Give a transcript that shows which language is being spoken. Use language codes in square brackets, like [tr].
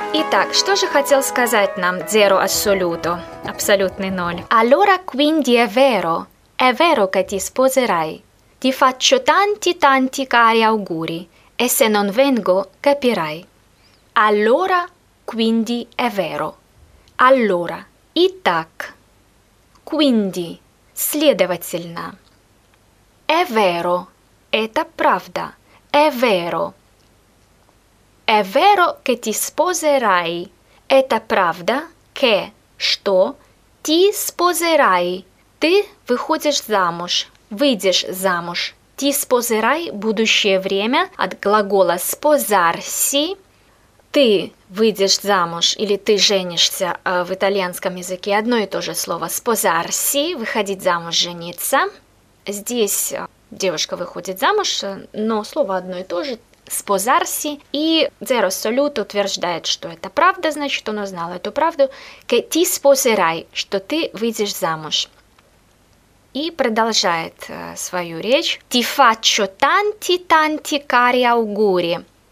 [ru] Так, что же хотел сказать нам Zero Assoluto, абсолютный ноль? [it] Allora quindi è vero che ti sposerai. Ti faccio tanti, tanti cari auguri, e se non vengo, capirai. Allora quindi è vero. [ru] Allora, и так. Quindi, следовательно. [it] È vero, [ru] это правда. [it] È vero. È vero che ti sposerai. [ru] Это правда, [it] che, что, Ti sposerai. [ru] Ты выходишь замуж. Выйдешь замуж. Ti sposerai – будущее время от глагола sposarsi. Ты выйдешь замуж или ты женишься в итальянском языке. Одно и то же слово sposarsi – выходить замуж, жениться. Здесь девушка выходит замуж, но слово одно и то же – sposarsi. И zero salute утверждает, что это правда, значит, он узнал эту правду. [it] Che ti sposerai [ru] – что ты выйдешь замуж. И продолжает свою речь. [it] Ti faccio tanti, tanti cari auguri.